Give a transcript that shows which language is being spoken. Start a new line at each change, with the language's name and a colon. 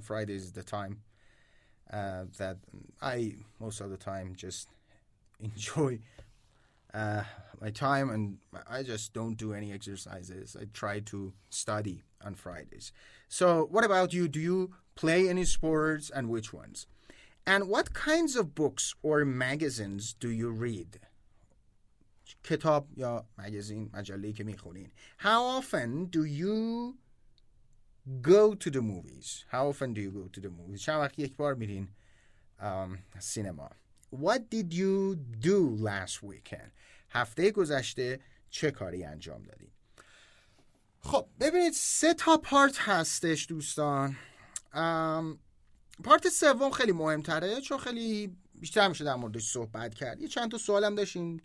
English: And Fridays is the time that I, most of the time, just enjoy my time. And I just don't do any exercises. I try to study on Fridays. So what about you? Do you play any sports and which ones? And what kinds of books or magazines do you read?
Persian: کتاب یا مگزین مجله‌ای که می‌خونین.
English: How often do you go to the movies? How often do you go to the movies?
Persian: چند وقت یک بار می‌رین سینما.
English: What did you do last weekend?
Persian: هفته گذشته چه کاری انجام دادین؟ خب ببینید 3 پارت هستش دوستان. پارت سوم خیلی مهم‌تره چون خیلی بیشتر میشه در موردش صحبت کرد. یه چند تا سوال هم داشتیم.